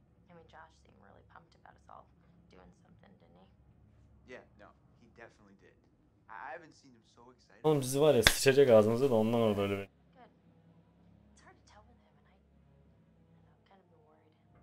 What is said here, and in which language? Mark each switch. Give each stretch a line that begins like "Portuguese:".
English: I mean, Josh seemed really pumped about us all doing something, didn't he? Yeah, no, he definitely did. I haven't seen him so excited.
Turkish: Oğlum bizi var ya, sıçacak ağzımıza da ondan oldu öyle bir.
English: It's hard to tell with him, and I'm kind of worried.